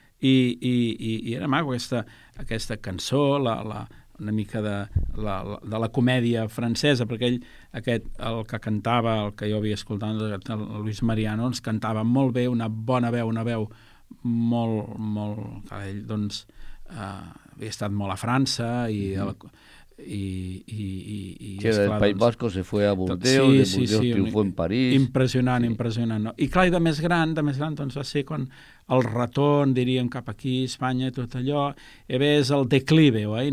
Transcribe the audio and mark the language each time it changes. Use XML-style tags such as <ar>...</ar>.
<ca>I era maco aquesta cançó, una mica de la comèdia francesa, perquè el que cantava, el que jo havia escoltat, el Luis Mariano, ens cantava molt bé, una bona veu, una veu molt... Ell, doncs, havia estat molt a França i...</ca> <es>Que era del País Basco, se fue a Burdeos, de Burdeos triunfó en París.</es> <ca>Impressionant, no? I clar, i de més gran, doncs va ser quan el retorn, diríem, cap aquí, Espanya, tot allò, i ves el declive, oi?</ca>